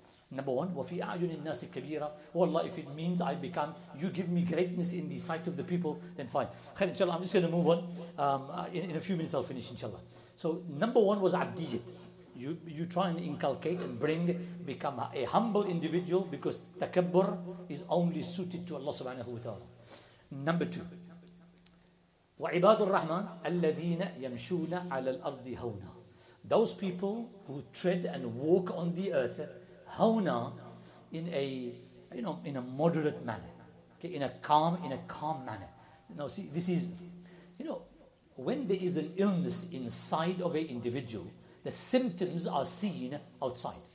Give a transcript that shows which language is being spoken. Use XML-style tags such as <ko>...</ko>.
<ar>Number one, وَفِي أَعْيُنِ النَّاسِ كَبِيرًا.</ar> <en>Oh Allah, if it means I become, you give me greatness in the sight of the people, then fine. Khair, inshallah, I'm just going to move on. In a few minutes, I'll finish, inshallah. So number one was abdiyat. You try and inculcate and bring, become a humble individual, because takabbur is only suited to Allah subhanahu wa ta'ala.</en> <ar>Number two, وَعِبَادُ الرَّحْمَنِ الَّذِينَ يَمْشُونَ عَلَى الْأَرْضِ هَوْنَا.</ar> <en>Those people who tread and walk on the earth, hawna, in a moderate manner, okay, in a calm manner. Now see, this is, you know, when there is an illness inside of an individual, the symptoms are seen outside.</en>